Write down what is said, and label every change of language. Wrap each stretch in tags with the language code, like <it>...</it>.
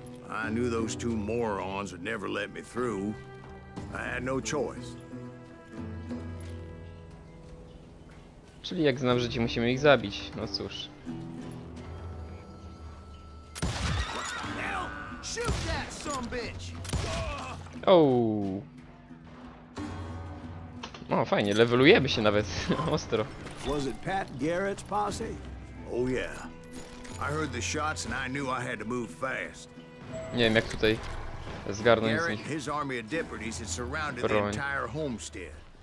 <en>I knew those two morons would never let me through. I had no choice.</en> <pl>Czyli jak znam życie, musimy ich zabić. No cóż.</pl> <en>What the hell? Shoot that, sumbitch!</en> <pl>No, fajnie, levelujemy się nawet. Ostro.</pl> <en>Was it Pat Garrett's posse? Oh yeah. I heard the shots and I knew I had to move fast.</en> <pl>Nie wiem, jak tutaj zgarnąć.</pl> <en>Garrett and his army of deputies had surrounded the entire homestead.</en>